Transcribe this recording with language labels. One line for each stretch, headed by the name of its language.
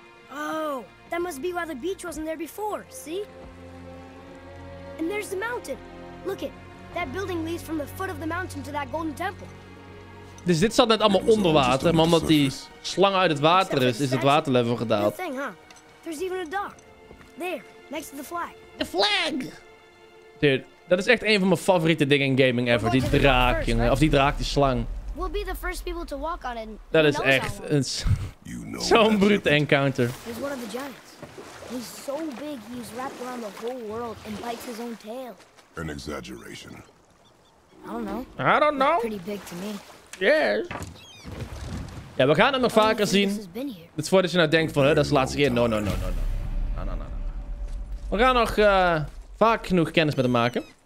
English: Oh, that must be why the beach wasn't there before, see? And there's the mountain. Look it. That building leads from the foot of the mountain to that golden temple.
Dutch: Dus dit zat net allemaal onder water, maar omdat die slang uit het water is, is het waterlevel gedaald.
English: There's even a dock. There, next to the flag. The flag!
Dutch: Dude, dat is echt een van mijn favoriete dingen in gaming ever. Die draak, jongen. Of die draak, die slang.
English: We'll be the first people to walk on it.
Dutch: Dat is echt zo'n brute encounter.
English: He's one of the giants. He's so big, he's wrapped around the whole world and bites his own tail. An exaggeration. I don't know. It's pretty big to me.
Dutch: Yeah. Ja, we gaan hem nog vaker zien. Het is voordat je nou denkt van, hè, dat is de laatste keer. No. We gaan nog vaak genoeg kennis met hem maken.